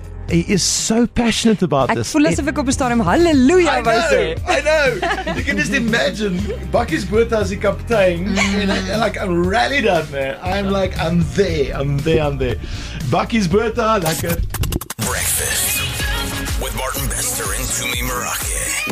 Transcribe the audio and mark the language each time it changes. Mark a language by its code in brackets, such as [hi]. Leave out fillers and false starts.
[en] He is so passionate about this. [af] Ek voel asof ek op 'n stadium halleluja wou sê. [en] I know. You can just imagine Bakkies Botha [af] as die kaptein. [en] And like, I'm rallied up, man. I'm there. [af] Bakkies Botha, lekker. [en] Breakfast with Martin Bester and Tumi Marake.